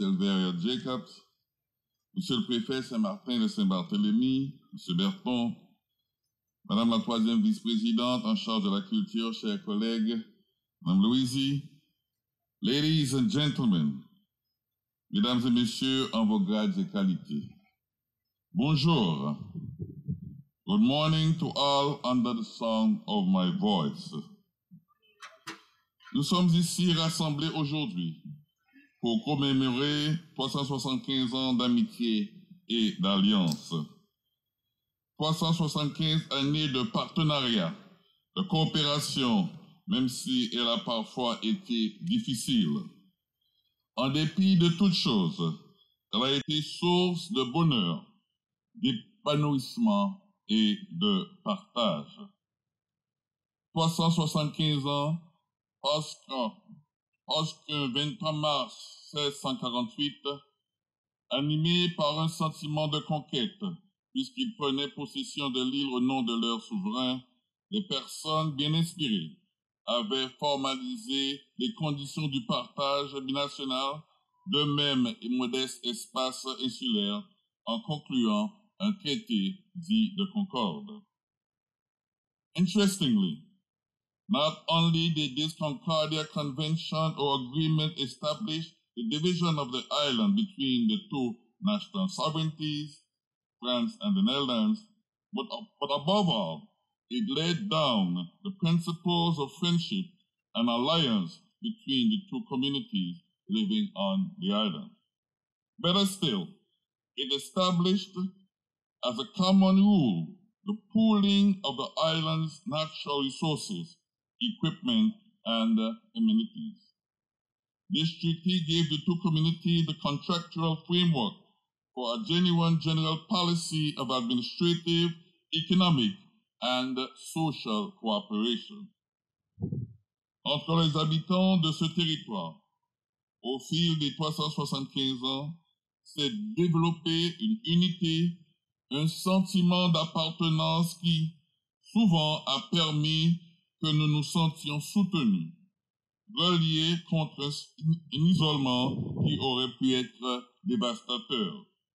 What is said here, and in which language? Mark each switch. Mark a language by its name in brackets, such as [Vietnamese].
[French] Silveria Jacobs, Monsieur le Préfet Saint-Martin de Saint-Barthélemy, Monsieur Berton, Madame la troisième vice-présidente en charge de la culture, chers collègues, Madame Louisie, [English] ladies and gentlemen, [French] mesdames et messieurs en vos grades et qualités. Bonjour. [English] Good morning to all under the sound of my voice. [French] Nous sommes ici rassemblés aujourd'hui pour commémorer 375 ans d'amitié et d'alliance. 375 années de partenariat, de coopération, même si elle a parfois été difficile. En dépit de toutes choses, elle a été source de bonheur, d'épanouissement et de partage. 375 ans, parce que 23 mars 1648, animé par un sentiment de conquête, puisqu'ils prenaient possession de l'île au nom de leur souverain, les personnes bien inspirées avaient formalisé les conditions du partage binational de même et modeste espace insulaire en concluant un traité dit de Concorde. [English] Interestingly, not only did this Concordia Convention or agreement establish the division of the island between the two national sovereignties, France and the Netherlands, but above all, it laid down the principles of friendship and alliance between the two communities living on the island. Better still, it established as a common rule the pooling of the island's natural resources, equipment, and amenities. This treaty gave the two communities the contractual framework for a genuine general policy of administrative, economic, and social cooperation. [French] Entre les habitants de ce territoire, au fil des 375 ans, s'est développé une unité, un sentiment d'appartenance qui, souvent, a permis que nous nous sentions soutenus, reliés contre un isolement qui aurait pu être dévastateur,